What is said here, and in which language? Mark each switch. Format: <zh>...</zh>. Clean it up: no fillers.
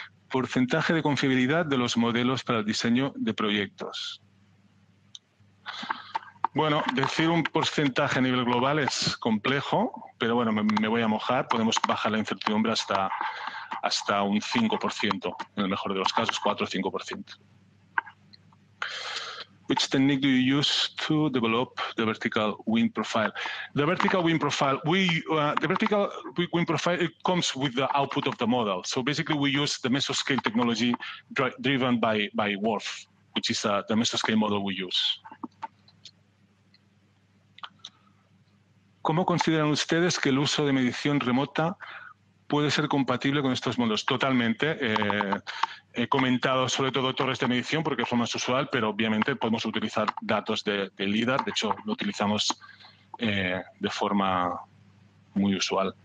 <es>¿Porcentaje de confiabilidad de los modelos para el diseño de proyectos? Bueno, decir un porcentaje a nivel global es complejo, pero bueno, me voy a mojar. Podemos bajar la incertidumbre hasta un 5%, en el mejor de los casos, 4 o 5%.</es> <en>Which technique do you use to develop the vertical wind profile? The vertical wind profile, it comes with the output of the model. So basically we use the mesoscale technology driven by Wolf, which is the mesoscale model we use.</en> <es>¿Cómo consideran ustedes que el uso de medición remota puede ser compatible con estos modelos? Totalmente. He comentado sobre todo torres de medición porque es lo más usual, pero obviamente podemos utilizar datos de LIDAR. De hecho, lo utilizamos de forma muy usual.</es>